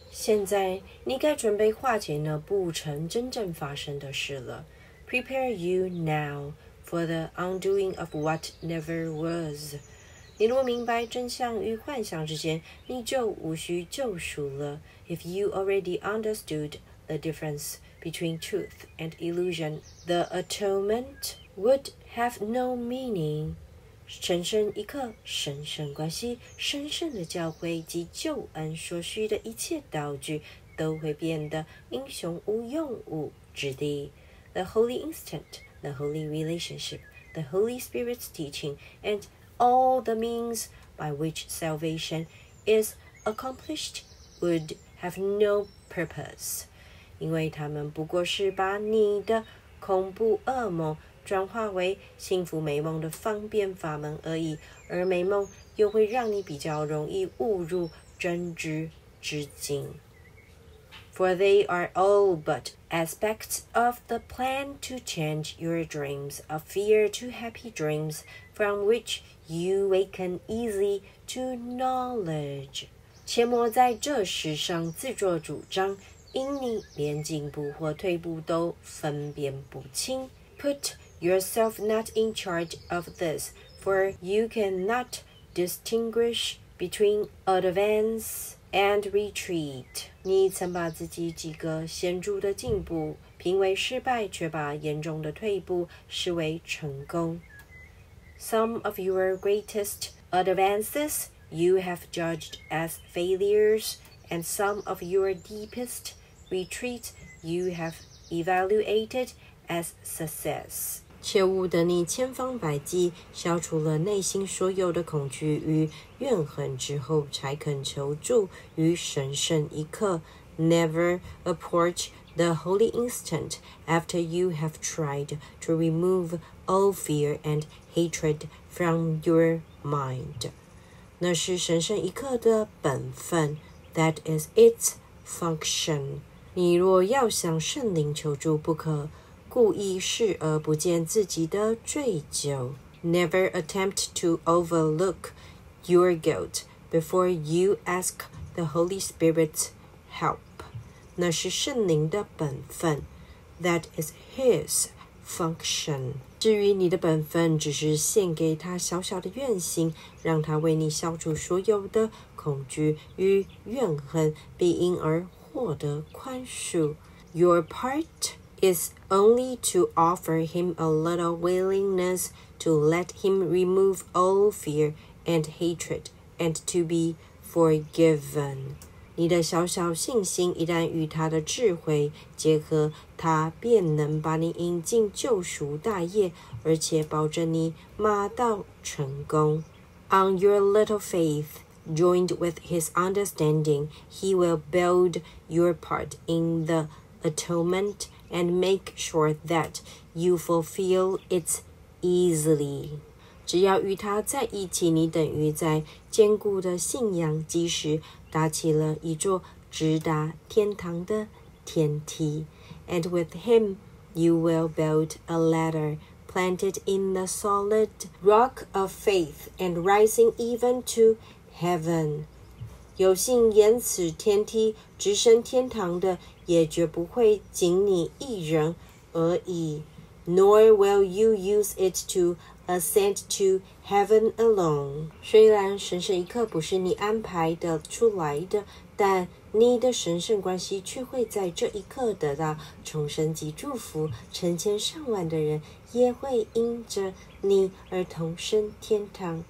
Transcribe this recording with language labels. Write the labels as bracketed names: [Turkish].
[Chinese] 现在你该准备化解那不曾真正发生的事了。 [English] Prepare you now for the undoing of what never was. [Chinese] 你若明白真相与幻想之间，你就无需救赎了。 [English] If you already understood the difference between truth and illusion, the atonement would have no meaning. [Chinese] 神圣一刻，神圣关系，神圣的教诲及救恩所需的一切道具，都会变得英雄无用武之地。 [English] The holy instant, the holy relationship, the Holy Spirit's teaching, and all the means by which salvation is accomplished would have no purpose. [Chinese] 因为他们不过是把你的恐怖噩梦转化为幸福美梦的方便法门而已，而美梦又会让你比较容易误入真知之境。 [English] For they are all but aspects of the plan to change your dreams of fear to happy dreams from which you awaken easily to knowledge. [Chinese] 切莫在这世上自作主张，因你连进步或退步都分辨不清。 [English] Put yourself not in charge of this, for you cannot distinguish between advance and retreat. [Chinese] 你曾把自己几个显著的进步评为失败，却把严重的退步视为成功。 [English] Some of your greatest advances you have judged as failures, and some of your deepest retreats you have evaluated as success. [Chinese] 切勿等你千方百计消除了内心所有的恐惧与怨恨之后才肯求助于神圣一刻。 [English] Never approach the holy instant after you have tried to remove all fear and hatred from your mind. [Chinese] 那是神圣一刻的本分， [English] That is its function. [Chinese] 你若要向圣灵求助，不可故意视而不见自己的罪疚。 [English] Never attempt to overlook your guilt before you ask the Holy Spirit's help. [Chinese] 那是圣灵的本分， [English] That is his function. [Chinese] 至于你的本分，只是献给他小小的愿心，让他为你消除所有的恐惧与怨恨，并因而获得宽恕。 [English] Your part is only to offer him a little willingness to let him remove all fear and hatred and to be forgiven. [Chinese] 你的小小信心一旦与他的智慧结合，他便能把你引进救赎大业，而且保证你马到成功。 [English] On your little faith, joined with his understanding, he will build your part in the atonement and make sure that you fulfill it easily. [Chinese] 只要与他在一起，你等于在坚固的信仰基石搭起了一座直达天堂的天梯。 [English] And with him, you will build a ladder planted in the solid rock of faith and rising even to heaven. [Chinese] 有幸沿此天梯直升天堂的也绝不会仅你一人而已。 [English] Nor will you use it to ascend to heaven alone. [Chinese] 虽然神圣一刻不是你安排的出来的，但你的神圣关系却会在这一刻得到重生及祝福，成千上万的人也会因着你而同升天堂。